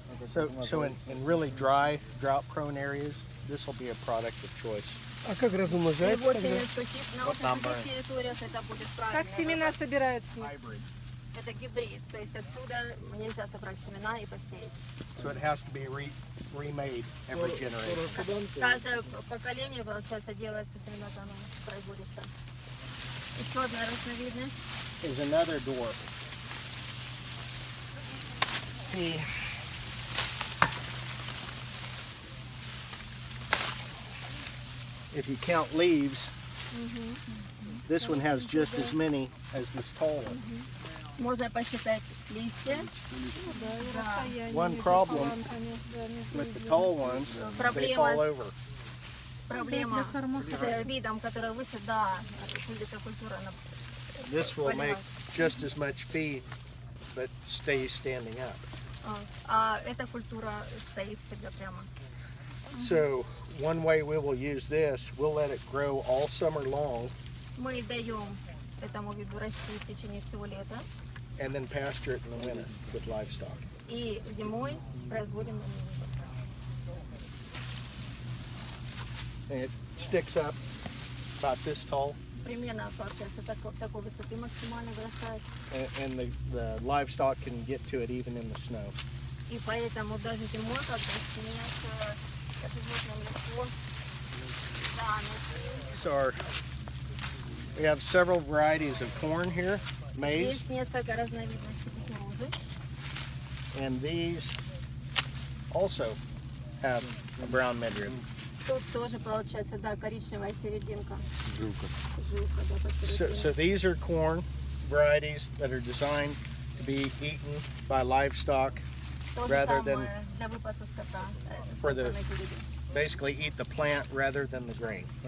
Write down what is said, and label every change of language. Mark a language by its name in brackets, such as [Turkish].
[English] So in really dry, drought-prone areas, this will be a product of choice. [Russian] А как размножается? В очень сухих, на очень сухих территориях это будет правильно. Как семена собираются? Это гибрид. То есть отсюда нельзя собрать семена и посеять. [English] So it has to be remade every generation. [Russian] Каждое поколение, получается, делается семена заново, производится. Еще одна разновидность. [English] Is another dwarf. If you count leaves, this one has just as many as this tall one. [Russian] Можно посчитать листья. [English] One problem with the tall ones, they fall over. [Russian] Проблема с видом, который выше, да, эта культура. [English] This will make just as much feed, but stay standing up. [Russian] Эта культура стоит всегда прямо. [English] So, one way we will use this, we'll let it grow all summer long. [Russian] Мы даем этому виду расти в течение всего лета. [English] And then pasture it in the winter with livestock. [Russian] И зимой производим. [English] It sticks up about this tall. [Russian] Примерно получается такой высоты максимально вырастает. [English] And the livestock can get to it even in the snow. [Russian] И поэтому даже зимой, когда сменяется животное легко. Да, ну [English] we have several varieties of corn here, maize. [Russian] Есть несколько разновидностей кукурузы. [English] And these also have a brown midrib. [Russian] Тут тоже получается, да, коричневая серединка. Жилка. Жилка, да, посередине. [English] So these are corn varieties that are designed to be eaten by livestock rather than [Russian] для выпаса скота. [English] For the basically eat the plant rather than the grain.